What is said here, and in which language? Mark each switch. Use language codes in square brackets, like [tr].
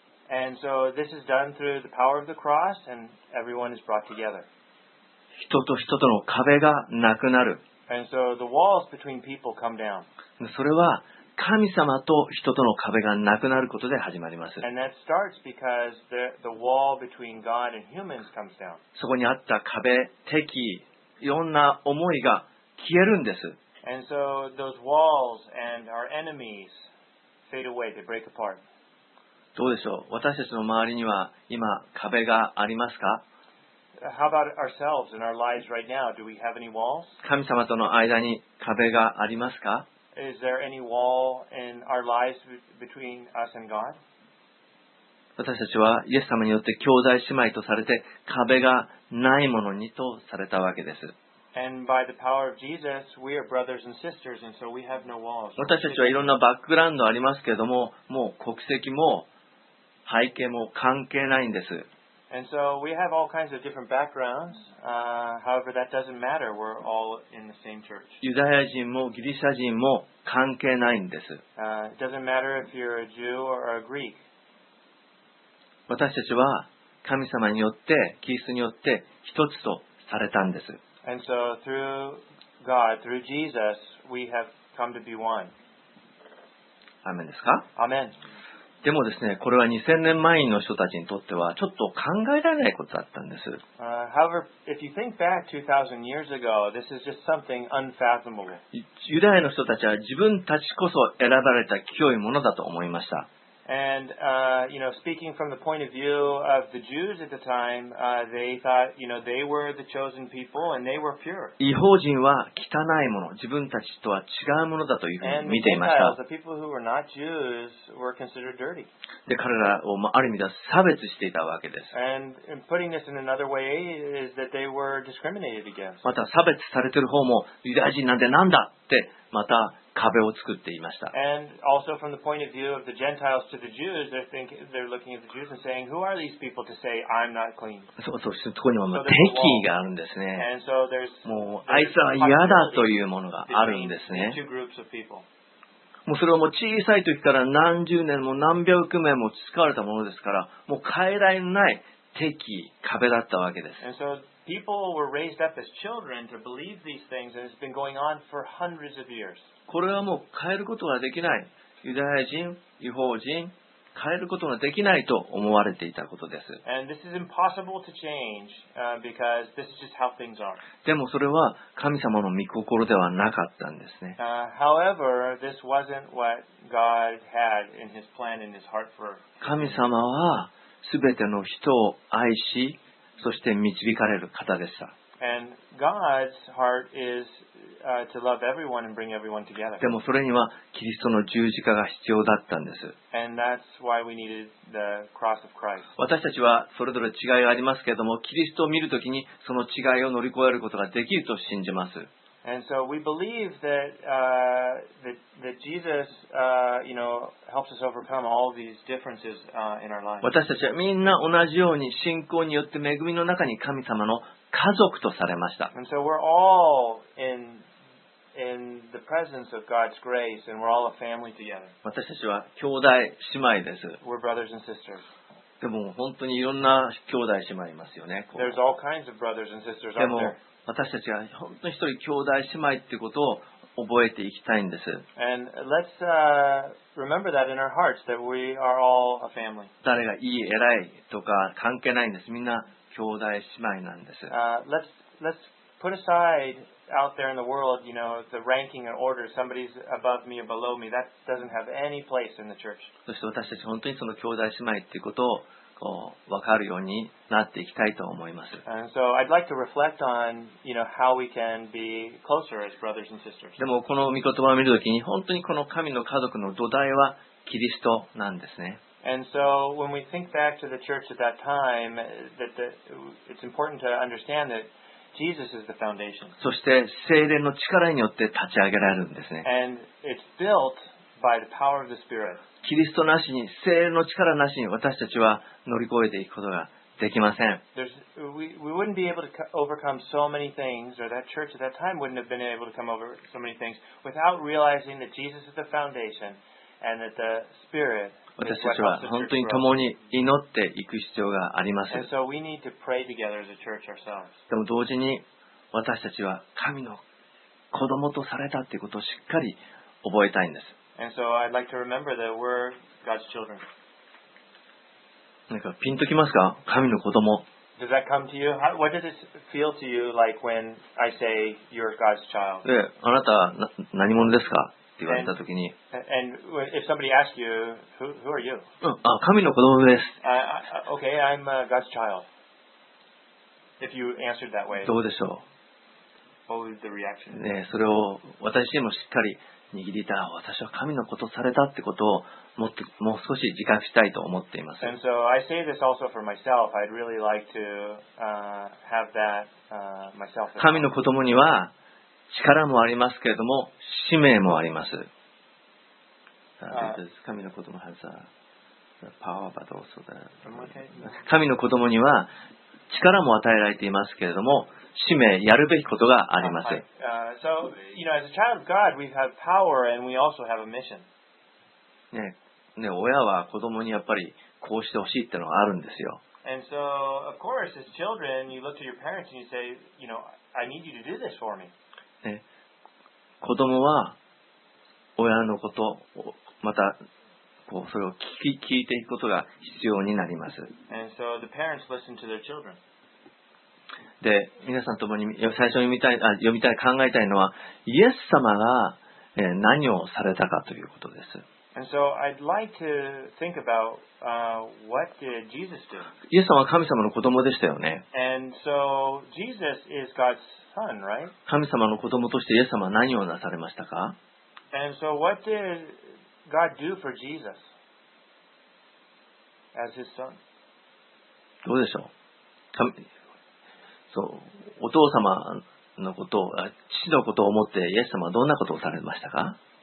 [en] And so this is done through the power of the cross, and everyone is brought together. [ja] 人と人との壁がなくなる。 [en] And so the walls between people come down. [ja] それは神様と人との壁がなくなることで始まります。 [en] And that starts because the wall between God and humans comes down. [ja] そこにあった壁、敵、いろんな思いが消えるんです。 [en] And so those walls and our enemies fade away, they break apart. [ja] どうでしょう? 私たちの周りには今壁がありますか? [en] How about ourselves in our lives right now? Do we have any walls? [ja] 神様との間に壁がありますか? [en] Is there any wall in our lives between us and God? [ja] 私たちはイエス様によって兄弟姉妹とされて壁がないものにとされたわけです。 [en] And by the power of Jesus, we are brothers and sisters, and so we have no walls. [ja] 私たちはいろんなバックグラウンドありますけれども、もう国籍も背景も関係ないんです。 [en] And so we have all kinds of different backgrounds. However, that doesn't matter. We're all in the same church. [ja] ユダヤ人もギリシャ人も関係ないんです。 [en] It doesn't matter if you're a Jew or a Greek. [ja] 私たちは神様によって、キリストによって一つとされたんです。 [en] And so through God, through Jesus, we have come to be one. [ja] アメンですか？アメン。でもですね、これは2000年前の人たちにとってはちょっと考えられないことだったんです。 [en] However, if you think back 2000 years ago, this is just something unfathomable. [ja] ユダヤの人たちは自分たちこそ選ばれた清いものだと思いました。 [en] And, you know, speaking from the point of view of the Jews at the time, they thought, you know, they were the chosen people and they were pure. [ja] 異邦人は汚いもの、自分たちとは違うものだというふうに見ていました。 [en] The people who were not Jews were considered dirty. [ja] で、彼らをある意味では差別していたわけです。 [en] And putting this in another way is that they were discriminated against. [ja] また差別されている方もユダヤ人なんてなんだってまた壁を作っていました。 [en] And also from the point of view of the Gentiles to the Jews, they're looking at the Jews and saying, "Who are these people to say I'm not clean?" [ja] そうそう、そこにはもう敵意があるんですね。 [en] And so there's [ja] もうあいつは嫌だというものがあるんですね。 [en] Two groups of people. [ja] もうそれはもう小さい時から何十年も何百年も培われたものですから、もう変えられない敵意、壁だったわけです。 [en] And so people were raised up as children to believe these things, and it's been going on for hundreds of years. [ja] これはもう変えることができない。ユダヤ人、異邦人、変えることができないと思われていたことです。 [en] And this is impossible to change, because this is just how things are. [ja] でもそれは神様の御心ではなかったんですね。 [en] However, this wasn't what God had in his plan in his heart for. [ja] 神様は全ての人を愛し、そして導かれる方でした。 [en] And God's heart isto love everyone and bring everyone together. [ja] でもそれにはキリストの十字架が必要だったんです。 [en] And that's why we needed the cross of Christ. [ja] 私たちはそれぞれ違いがありますけれども、キリストを見るときにその違いを乗り越えることができると信じます。 [en] And so we believe that, that Jesus, you know, helps us overcome all these differences, in our lives. [ja] 私たちはみんな同じように信仰によって恵みの中に神様の家族とされました。 [en] And so we're all in the presence of God's grace, and we're all a family together. [ja] 私たちは兄弟姉妹です。 [en] We're brothers and sisters. [ja] でも本当にいろんな兄弟姉妹いますよね。 [en] There's all kinds of brothers and sisters out there. [ja] でも私たちは本当に一人兄弟姉妹っていうことを覚えていきたいんです。 [en] And let's remember that in our hearts that we are all a family. [ja] 誰がいい偉いとか関係ないんです。みんな兄弟姉妹なんです。 [en] Let's put aside out there in the world, you know, the ranking and order. Somebody's above me or below me. That doesn't have any place in the church. [ja] そして私たち本当にその兄弟姉妹っていうことをこう分かるようになっていきたいと思います。 [en] And so I'd like to reflect on, you know, how we can be closer as brothers and sisters. [ja] でもこの御言葉を見るときに本当にこの神の家族の土台はキリストなんですね。 [en] And so when we think back to the church at that time, it's important to understand that Jesus is the foundation. [ja] そして聖霊の力によって立ち上げられるんですね。 [en] And it's built by the power of the Spirit. [ja] キリストなしに、聖霊の力なしに私たちは乗り越えていくことができません。 [en] We wouldn't be able to overcome so many things, or that church at that time wouldn't have been able to come over so many things without realizing that Jesus is the foundation and that the Spirit. [ja] 私たちは本当に共に祈っていく必要があります。でも同時に私たちは神の子供とされたということをしっかり覚えたいんです。何かピンときますか？神の子供。 [en] Does that come to you? What does it feel to you like when I say you're God's child? [ja] で、あなたは何者ですか？って言われたときに、 [en] and if somebody asks you, who are you? [ja] あ、神の子供です。 [en] Okay, I'm God's child. If you answered that way, [ja] どうでしょう。 [en] What was the reaction? [ja] ね、それを私自身もしっかり握りたら、私は神の子とされたってことをもう少し自覚したいと思っています。 [en] And so I say this also for myself. I'd really like to have that myself. [ja] 神の子供には力もありますけれども。使命もあります。神の子供はさ、 [en] power, but also the... [ja] 神の子供には力も与えられていますけれども、使命、やるべきことがあります。 [en] So, you know, as a child of God, we have power and we also have a mission. [ja] ね、親は子供にやっぱりこうしてほしいってのがあるんですよ。 [en] And so, of course, as children, you look to your parents and you say, you know, I need you to do this for me. [ja] 子供は親のこと、またこうそれを聞いていくことが必要になります。 [en] And so the parents listen to their children. [ja] で、皆さんともに最初に読みたい、考えたいのは、イエス様が何をされたかということです。 [en] And so I'd like to think about, what did Jesus do? [ja] イエス様は神様の子供でしたよね。 [en] And so Jesus is God's son, right? [ja] 神様の子供としてイエス様は何をなされましたか？ [en] And so what did God do for Jesus as his son? [ja] どうでしょう？そう、お父様のことを、父のことを思ってイエス様はどんなことをされましたか？